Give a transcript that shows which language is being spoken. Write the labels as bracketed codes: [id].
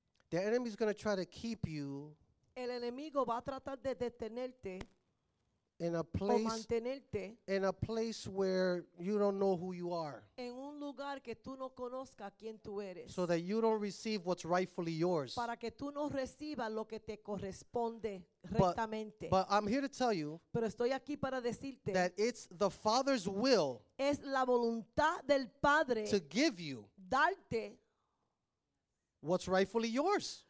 [en] The enemy is going to try to keep you. [es] El enemigo va a tratar de detenerte [en] in a place, [es] o mantenerte [en] in a place where you don't know who you are. [es] En un lugar que tú no conozcas quién tú eres. [en] So that you don't receive what's rightfully yours. [es] Para que tú no recibas lo que te corresponde rectamente. [en] But I'm here to tell you, [es] pero estoy aquí para decirte, [en] that it's the Father's will, [es] es la voluntad del Padre, [en] to give you [es] darte [en] what's rightfully yours.